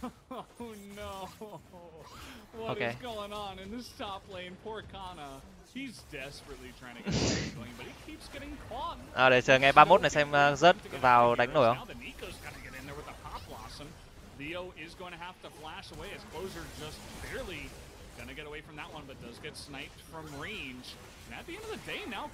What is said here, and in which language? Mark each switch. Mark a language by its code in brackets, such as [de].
[en] What okay. is going on in this top lane? Poor Kana. He's desperately trying to get going, but he keeps getting caught. [vi] À, để chờ ngày 31 này xem rớt vào đánh nổi không. [en] The Nico's gotta get in there with the pop blossom. Leo is going to have to flash away as Closer just barely gonna get away from that one, but does get sniped from range. And at the end of the day now,